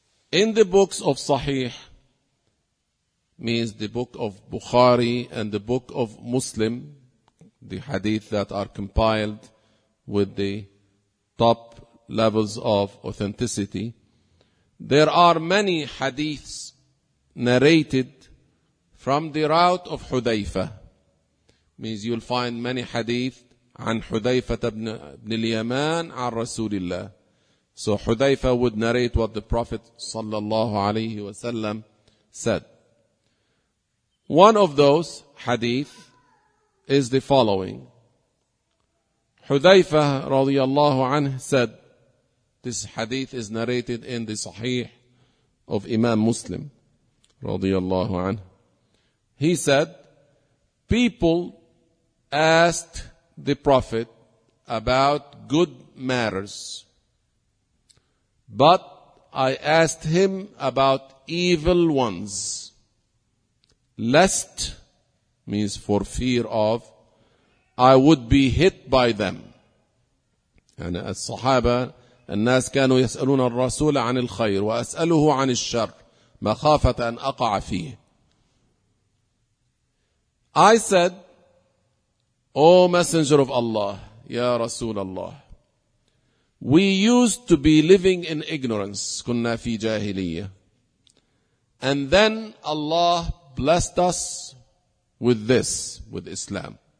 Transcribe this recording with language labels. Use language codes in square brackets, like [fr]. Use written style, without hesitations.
[en] In the books of Sahih, means the book of Bukhari and the book of Muslim, the hadith that are compiled with the top levels of authenticity, there are many hadiths narrated from the route of Hudhayfa. Means you'll find many hadith [ar] عن حذيفة بن اليمان عن رسول الله. [en] So Hudhayfa would narrate what the Prophet صلى الله عليه وسلم said. One of those hadith is the following. Hudhayfa رضي الله عنه said, this hadith is narrated in the Sahih of Imam Muslim رضي الله عنه. He said, people asked the Prophet about good matters, but I asked him about evil ones, lest, means for fear of, I would be hit by them. And as Sahaba, [ar] الناس كانوا يسألون الرسول عن الخير وأسأله عن الشر مخافة أن أقع فيه. [en] I said, O Messenger of Allah, Ya Rasul Allah, we used to be living in ignorance, [ar] كنا في جاهلية. [en] And then Allah blessed us with this, with Islam.